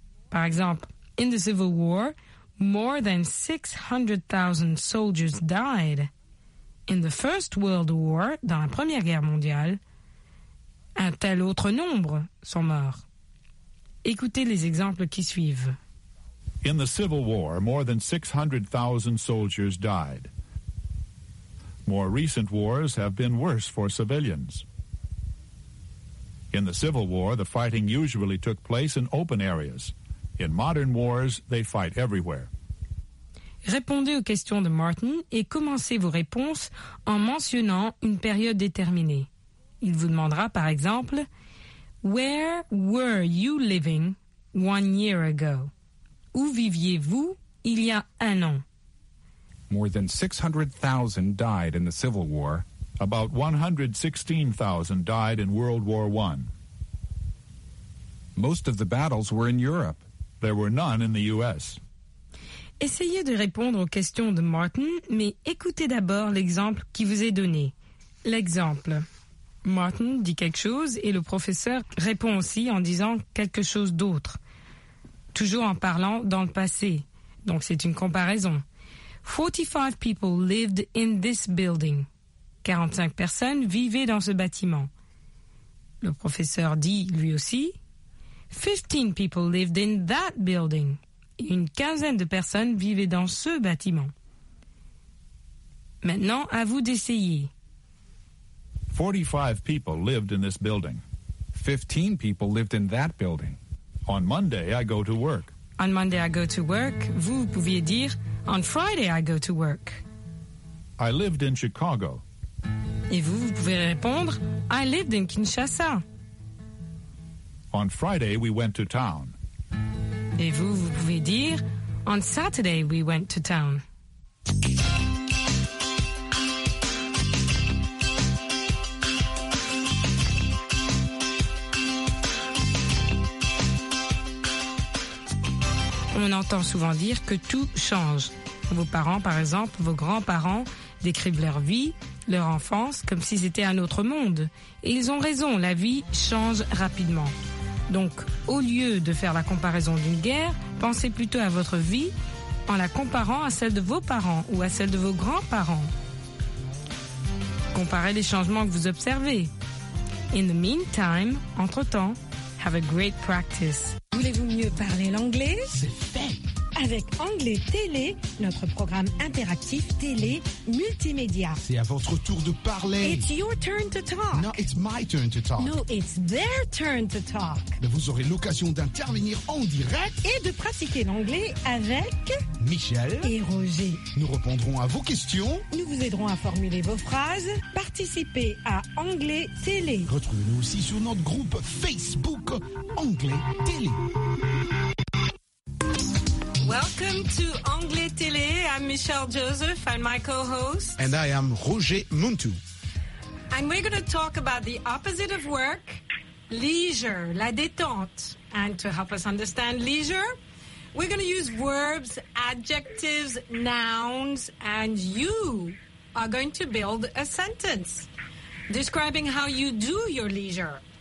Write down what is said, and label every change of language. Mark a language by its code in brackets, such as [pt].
[fr] Par exemple, [en] « In the Civil War, more than 600,000 soldiers died. In the First World War, [fr] dans la Première Guerre mondiale, un tel autre nombre sont morts. » Écoutez les exemples qui suivent. [en] In the Civil War, more than 600,000 soldiers died. More recent wars have been worse for civilians. In the Civil War, the fighting usually took place in open areas. In modern wars, they fight everywhere. [fr] Répondez aux questions de Martin et commencez vos réponses en mentionnant une période déterminée. Il vous demandera, par exemple, [en] Where were you living 1 year ago? [fr] Où viviez-vous il y a un an? [en] More than 600,000 died in the Civil War. About 116,000 died in World War I. Most of the battles were in Europe. There were none in the U.S. [fr] Essayez de répondre aux questions de Martin, mais écoutez d'abord l'exemple qui vous est donné. L'exemple. Martin dit quelque chose et le professeur répond aussi en disant quelque chose d'autre. Toujours en parlant dans le passé. Donc c'est une comparaison. [en] 45 people lived in this building. [fr] 45 personnes vivaient dans ce bâtiment. Le professeur dit lui aussi. [en] 15 people lived in that building. [fr] Une quinzaine de personnes vivaient dans ce bâtiment. Maintenant, à vous d'essayer. [en] 45 people lived in this building. 15 people lived in that building. On Monday, I go to work. On Monday, I go to work. [fr] Vous pouviez dire, [en] On Friday, I go to work. I lived in Chicago. [fr] Et vous pouvez répondre, [en] I lived in Kinshasa. On Friday, we went to town. [fr] Et vous pouvez dire, [en] On Saturday, we went to town. [fr] On entend souvent dire que tout change. Vos parents, par exemple, vos grands-parents décrivent leur vie leur enfance comme si c'était un autre monde. Et ils ont raison, la vie change rapidement. Donc, au lieu de faire la comparaison d'une guerre, pensez plutôt à votre vie en la comparant à celle de vos parents ou à celle de vos grands-parents. Comparez les changements que vous observez. [en] In the meantime, [fr] entre-temps, [en] have a great practice. [fr] Voulez-vous mieux parler l'anglais? C'est fait! Avec Anglais Télé, notre programme interactif télé multimédia. C'est à votre tour de parler. [en] It's your turn to talk. No, it's my turn to talk. No, it's their turn to talk. [fr] Mais vous aurez l'occasion d'intervenir en direct. Et de pratiquer l'anglais avec... Michel. Et Roger. Nous répondrons à vos questions. Nous vous aiderons à formuler vos phrases. Participez à Anglais Télé. Retrouvez-nous aussi sur notre groupe Facebook Anglais Télé. [en] Welcome to Anglais Télé. I'm Michelle Joseph. I'm my co-host. And I am Roger Muntou. And we're going to talk about the opposite of work, leisure, [fr] la détente. [en] And to help us understand leisure, we're going to use verbs, adjectives, nouns, and you are going to build a sentence describing how you do your leisure.